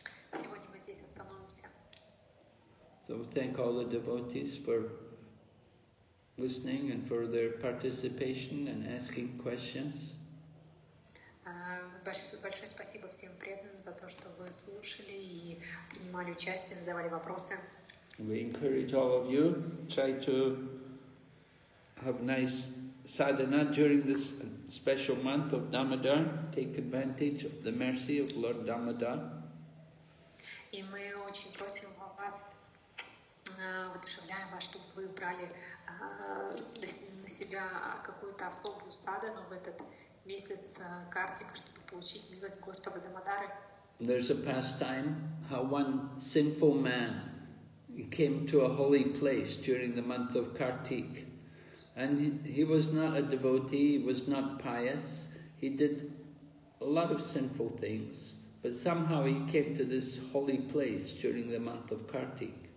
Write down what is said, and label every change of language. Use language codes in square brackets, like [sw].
[en] So we thank all the devotees for listening and for their participation and asking questions. [ru] Большое спасибо всем преданным за то, что вы слушали и принимали участие, задавали вопросы. [en] We encourage all of you try to have nice sadhana during this special month of Damodar. Take advantage of the mercy of Lord Damodar. [ru] И мы очень просим вас. Воодушевляем вас, чтобы вы брали на себя какую-то особую садхану в этот месяц картика, чтобы получить милость Господа Дамодары. [en] There's a pastime how one sinful man came to a holy place during the month of Kartik, and he was not a devotee, he was not pious, he did a lot of sinful things, but somehow he came to this holy place during the month of Kartik.